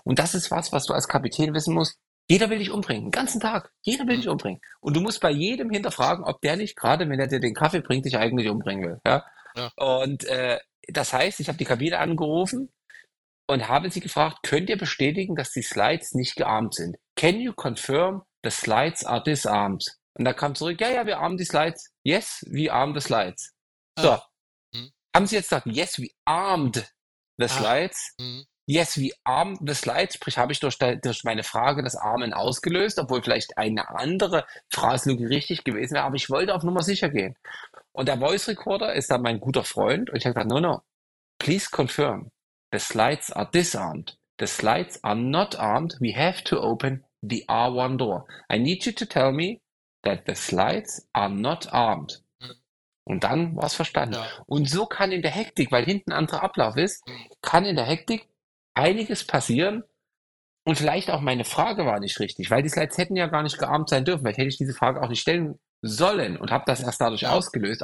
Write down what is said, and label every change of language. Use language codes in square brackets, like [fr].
[de] Und das ist was du als Kapitän wissen musst. Jeder will dich umbringen, den ganzen Tag. Jeder will dich umbringen. Und du musst bei jedem hinterfragen, ob der nicht gerade, wenn er dir den Kaffee bringt, dich eigentlich umbringen will. Ja? Und das heißt, ich habe die Kabine angerufen und habe sie gefragt, könnt ihr bestätigen, dass die Slides nicht geahmt sind? [en] Can you confirm, the slides are disarmed? [de] Und da kam zurück, ja, wir armen die Slides. [en] Yes, we arm the slides. [de] So. Haben Sie jetzt gesagt, [en] yes, we armed the slides? Yes, we armed the slides. [de] Sprich, habe ich durch meine Frage das Armen ausgelöst, obwohl vielleicht eine andere Phrase richtig gewesen wäre, aber ich wollte auf Nummer sicher gehen. Und der Voice Recorder ist dann mein guter Freund und ich habe gesagt, [en] no, no, please confirm, the slides are disarmed. The slides are not armed. We have to open the R1 door. I need you to tell me that the slides are not armed. [de] Und dann war es verstanden. Und so kann in der Hektik, weil hinten ein anderer Ablauf ist, kann in der Hektik einiges passieren. Und vielleicht auch meine Frage war nicht richtig, weil die Slides hätten ja gar nicht geahmt sein dürfen. Vielleicht hätte ich diese Frage auch nicht stellen sollen und habe das erst dadurch ausgelöst.